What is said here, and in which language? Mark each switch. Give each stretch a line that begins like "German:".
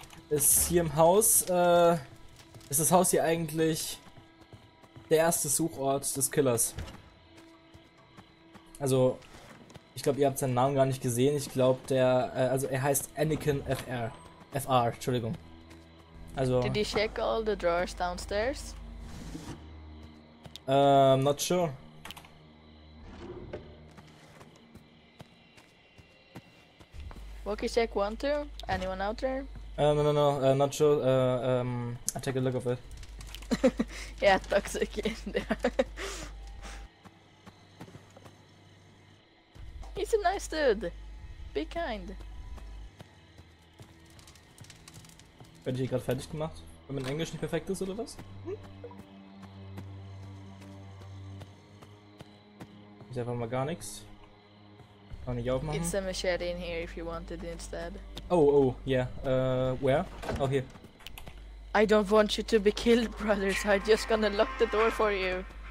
German: Ist hier im Haus, ist das Haus hier eigentlich der erste Suchort des Killers. Also, ich glaube, ihr habt seinen Namen gar nicht gesehen. Ich glaube, der, also er heißt Anakin FR, Entschuldigung. Also,
English: did he check all the drawers downstairs? Not sure. Walkie check 1-2, anyone out there? No, not sure, I'll take a look of it. Yeah, toxic in there. He's a nice dude, be kind.
German: Werde ich hier gerade fertig gemacht, wenn mein Englisch nicht perfekt ist oder was? Ist einfach mal gar nichts. Kann ich aufmachen?
English: It's a machete in here if you wanted instead. Oh, yeah. Where? Oh, here. I don't want you to be killed, brother, so I'm just gonna lock the door for you.